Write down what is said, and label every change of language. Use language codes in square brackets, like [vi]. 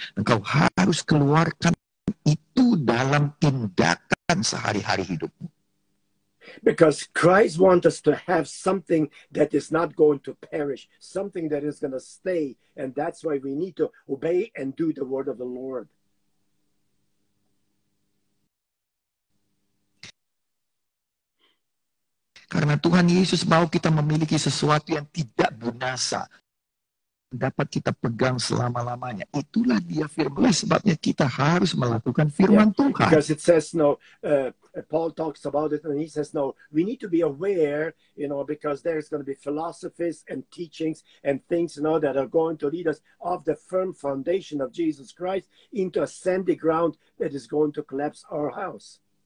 [id] Engkau harus keluarkan itu dalam tindakan sehari-hari hidupmu. [en] Because Christ wants us to have something that is not going to perish, something that is going to stay, and that's why we need to obey and do the word of the Lord. [id] Karena Tuhan Yesus mau kita memiliki sesuatu yang tidak binasa, dapat kita pegang selama-lamanya. Itulah dia firman. Sebabnya kita harus melakukan firman Tuhan. [en] Because it says no, Paul talks about it and he says no, we need to be aware, you know, because there's going to be philosophies and teachings and things, you know, that are going to lead us off the firm foundation of Jesus Christ into a sandy ground that is going to collapse our house.